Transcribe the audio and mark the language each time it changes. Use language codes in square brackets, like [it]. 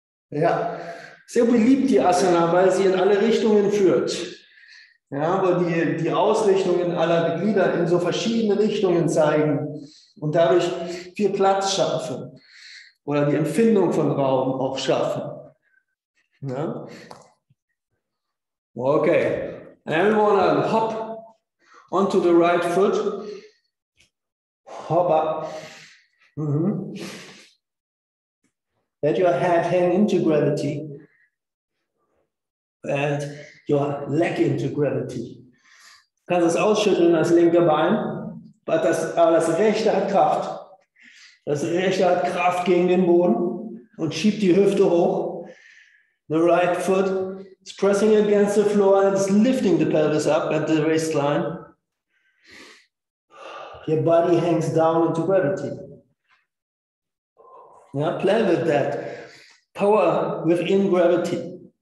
[de] Ja, sehr beliebt die Asana, weil sie in alle Richtungen führt. Ja, weil die Ausrichtungen aller Glieder in so verschiedene Richtungen zeigen und dadurch viel Platz schaffen oder die Empfindung von Raum auch schaffen. Ja. [en] Okay, and we want to hop onto the right foot. Hop up. Let your head hang into gravity and your leg into gravity. [de] Du kannst es ausschütteln, das linke Bein, aber das rechte hat Kraft. Das rechte hat Kraft gegen den Boden und schiebt die Hüfte hoch. [en] The right foot. It's pressing against the floor and it's lifting the pelvis up at the waistline. Your body hangs down into gravity. Yeah, play with that. Power within gravity.